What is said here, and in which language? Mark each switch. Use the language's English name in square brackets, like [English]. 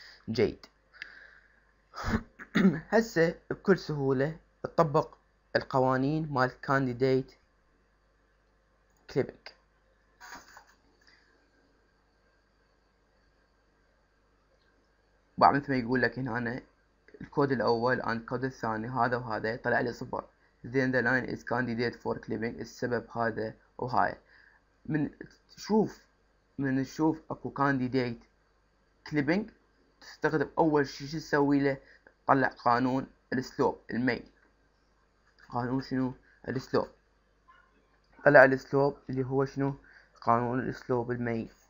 [Arabic] جيد هسه بكل سهولة تطبق القوانين مال كانديديت كليبنج. بعد مثل ما يقول لك هنا أنا الكود الأول عن الكود الثاني هذا وهذا طلع لي صفر. [English] then the line is candidate for clipping [Arabic] السبب هذا وهاي. من تشوف من تشوف اكو [English] candidate clipping [Arabic] تستخدم أول شيء شو تسوي له؟ طلع قانون السلوب المين. قانون شنو؟ السلوب. طلع السلوب اللي هو شنو؟ قانون السلوب المين.